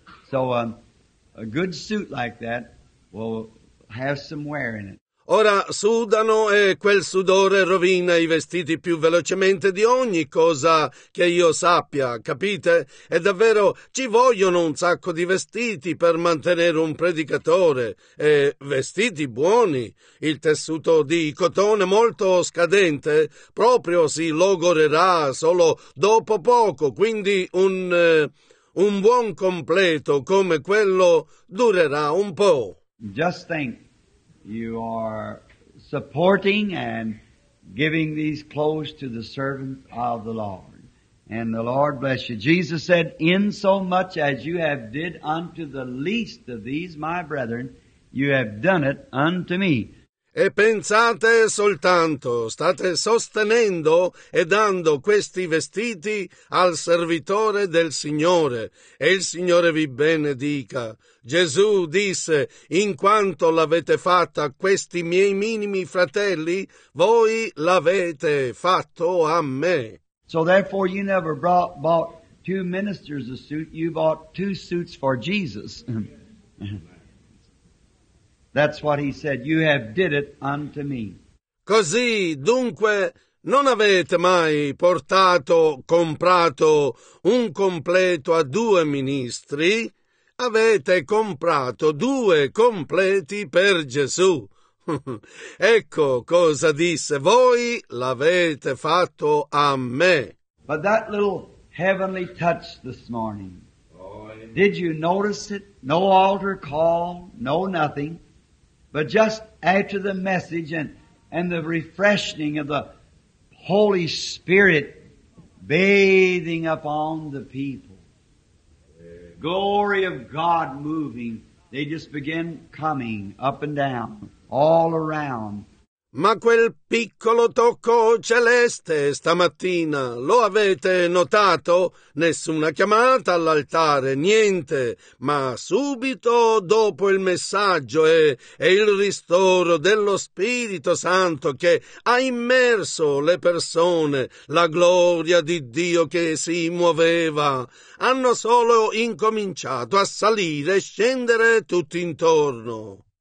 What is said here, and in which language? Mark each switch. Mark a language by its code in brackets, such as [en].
[en] So, a good suit like that will have some wear in it. [it] Ora sudano e quel sudore rovina i vestiti più velocemente di ogni cosa che io sappia, capite? E davvero ci vogliono un sacco di vestiti per mantenere un predicatore. E vestiti buoni. Il tessuto di cotone molto scadente proprio si logorerà solo dopo poco, quindi un buon completo come quello durerà un po'. [en] Just think, you are supporting and giving these clothes to the servant of the Lord. And the Lord bless you. Jesus said, in so much as you have did unto the least of these, my brethren, you have done it unto me. [it] E pensate soltanto, state sostenendo e dando questi vestiti al servitore del Signore, e il Signore vi benedica. Gesù disse, in quanto l'avete fatta a questi miei minimi fratelli, voi l'avete fatto a me. [en] So therefore you never bought two ministers a suit, you bought two suits for Jesus. That's what he said. You have did it unto me. [it] Così dunque non avete mai portato, comprato un completo a due ministri? Avete comprato due completi per Gesù. Ecco cosa disse: voi l'avete fatto a me. [en] But that little heavenly touch this morning. Did you notice it? No altar call, no nothing. But just after the message and the refreshing of the Holy Spirit bathing upon the people. Glory of God moving. They just begin coming up and down, all around. [it] Ma quel piccolo tocco celeste stamattina, lo avete notato? Nessuna chiamata all'altare, niente. Ma subito dopo il messaggio e il ristoro dello Spirito Santo che ha immerso le persone, la gloria di Dio che si muoveva, hanno solo incominciato a salire e scendere tutti intorno.